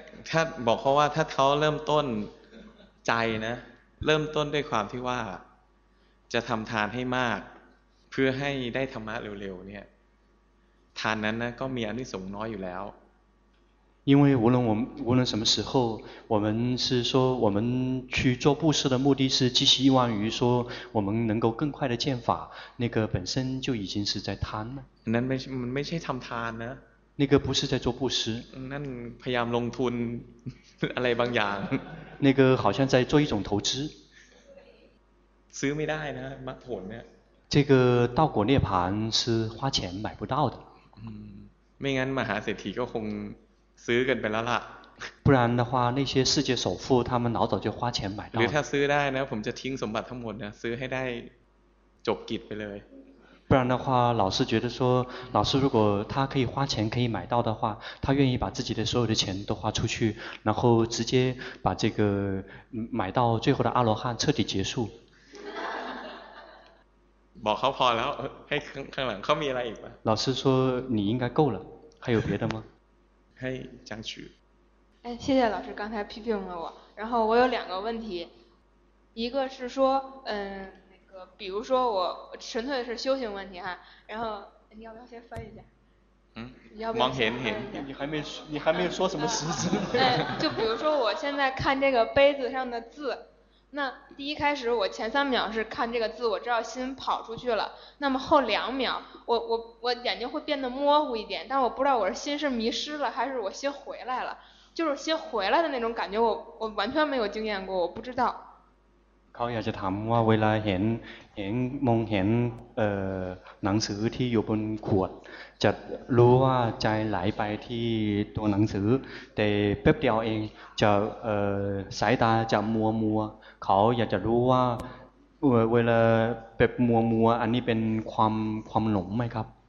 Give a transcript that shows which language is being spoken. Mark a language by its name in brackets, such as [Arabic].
[Thai] ถ้าบอกเขาว่าถ้าเขาเริ่มต้นใจนะเริ่มต้นด้วยความที่ว่าจะทำทานให้มากเพื่อให้ได้ธรรมะเร็วๆเนี่ยทานนั้นนะก็มีอานิสงส์น้อยอยู่แล้ว [Chinese] 因为无论什么时候，我们是说我们去做布施的目的是寄希望于说我们能够更快的见法，那个本身就已经是在贪了。那没去 [Thai] ทำทานนะ。 [Chinese] 那个不是在做布施。 [Thai] นั่นพยายามลงทุนอะไรบางอย่าง。 [Chinese] 那个好像在做一种投资。 [Thai] ซื้อไม่ได้นะมรรคผลเนี่ย。 [Chinese] 这个道果涅槃是花钱买不到的。 [Thai] ไม่งั้นมหาเศรษฐีก็คงซื้อกันไปแล้วล่ะ [Chinese] 不然的话那些世界首富他们老早就花钱买到 [Thai] หรือถ้าซื้อได้นะผมจะทิ้งสมบัติทั้งหมดนะซื้อให้ได้จบกิจไปเลย [Chinese] 不然的话老师觉得说老师如果他可以花钱可以买到的话他愿意把自己的所有的钱都花出去然后直接把这个买到最后的阿罗汉彻底结束 [Thai] บอกเขาพอแล้วให้ข้างหลังเขามีอะไรอีกไหม [Chinese] 老师说你应该够了还有别的吗嘿，江曲。哎，谢谢老师刚才批评了我。然后我有两个问题，一个是说，那个，比如说我纯粹是修行问题哈。然后你要不要先翻一下？嗯。你要不要先翻一下？你还没说什么实质。就比如说我现在看这个杯子上的字，那第一开始我前三秒是看这个字，我知道心跑出去了。那么后两秒。我眼睛会变得模糊一点，但我不知道我是心是迷失了还是我心回来了，就是心回来的那种感觉，我完全没有经验过，我不知道。 [Thai] เขาอยากจะถามว่าเวลาเห็นมองเห็นหนังสือที่อยู่บนขวดจะรู้ว่าใจไหลไปที่ตัวหนังสือแต่แป๊บเดียวเองจะสายตาจะมัวเขาอยากจะรู้ว่าเวลาแบบมัวอันนี้เป็นความหลงไหมครับ